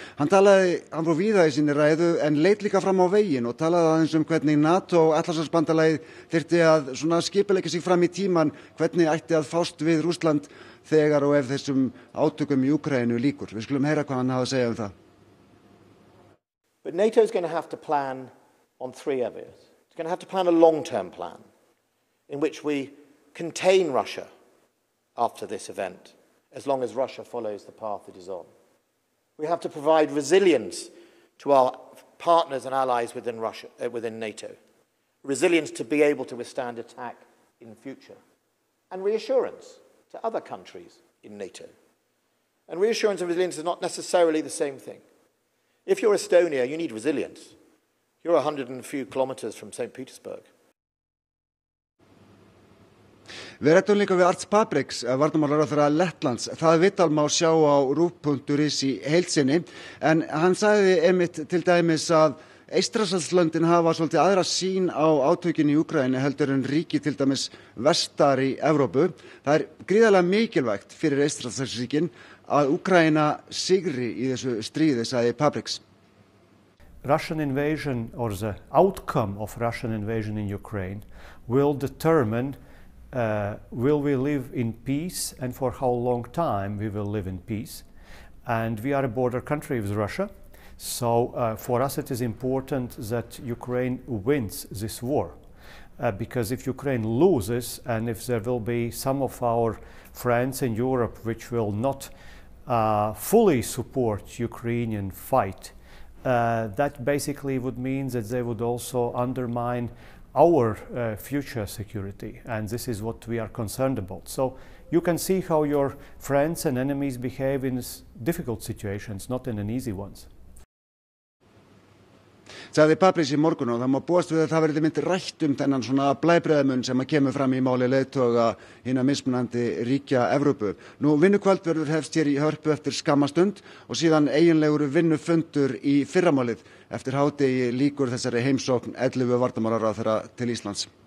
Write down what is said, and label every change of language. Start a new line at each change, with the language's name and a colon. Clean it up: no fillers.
Icelandic: Hann fór víða í sinni ræðu en leit líka fram á veginn og talaði aðeins hvernig NATO og Atlantshafsbandalagið þyrfti að svona skipuleggja sig fram í tímann hvernig ætti að fást við Rússland þegar og ef þessum átökum í Úkraínu líkur. Við skulum heyra hvað hann hafði að segja það.
English: But NATO is going to have to plan on three areas. It's going to have to plan a long-term plan in which we contain Russia after this event as long as Russia follows the path it is on. We have to provide resilience to our partners and allies within Russia, within NATO. Resilience to be able to withstand attack in future. And reassurance to other countries in NATO. And reassurance and resilience is not necessarily the same thing. If you're Estonia, you need resilience. You're 100 and a few kilometers from St. Petersburg.
Icelandic: Við réttum líka við Arts Pabriks, varnarmálaráðherra Lettlands. Það vital má sjá á rúf.is í heilsinni, en hann sagði einmitt til dæmis að Eystrasaltslöndin hafa svolítið aðra sýn á átökin í Úkraínu heldur en ríki til dæmis vestar í Evrópu. Það gríðarlega mikilvægt fyrir Eystrasaltsríkin að Úkraína sigri í þessu stríði, sagði Pabriks.
English: Russian invasion or the outcome of Russian invasion in Ukraine will determine will we live in peace and for how long time we will live in peace. And we are a border country with Russia, so for us it is important that Ukraine wins this war. Because if Ukraine loses and if there will be some of our friends in Europe which will not fully support Ukrainian fight, that basically would mean that they would also undermine our future security, and this is what we are concerned about. So you can see how your friends and enemies behave in difficult situations, not in an easy ones.
Icelandic: Sagði Pabriks í morgun og það má búast við að það verði mynd rætt þennan svona blæbreðamun sem að kemur fram í máli leiðtoga hinna mismunandi ríkja Evrópu. Nú vinnukvöld verður hefst hér í Hörpu eftir skammastund og síðan eiginlegur vinnufundur í fyrramálið eftir hádegi líkur þessari heimsókn 11 varnarmálaráðherra til Íslands.